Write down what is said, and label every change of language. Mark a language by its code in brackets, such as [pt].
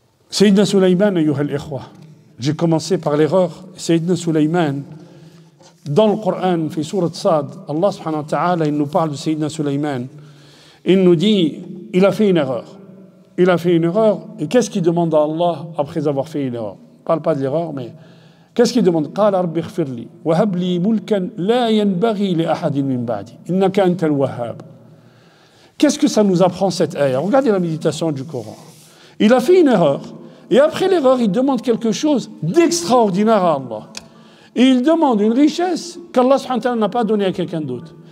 [ar] سيدنا سليمان أيها الإخوة [fr] j'ai commencé par l'erreur سيدنا سليمان dans le Coran [ar] في سورة صاد الله سبحانه وتعالى [fr] il nous parle de سيدنا سليمان il nous dit il a fait une erreur il a fait une erreur et qu'est-ce qu'il demande à Allah après avoir fait une erreur Je ne parle pas de l'erreur, mais qu'est-ce qu'il demande ? [ar] قال ربي اغفر لي وهب لي ملكا لا ينبغي لأحد من بعدي إنك أنت الوهاب. [fr] Qu'est-ce que ça nous apprend cette ayah ? Regardez la méditation du Coran. Il a fait une erreur et après l'erreur, il demande quelque chose d'extraordinaire à Allah. Et il demande une richesse qu'Allah subhanahu wa ta'ala n'a pas donnée à quelqu'un d'autre.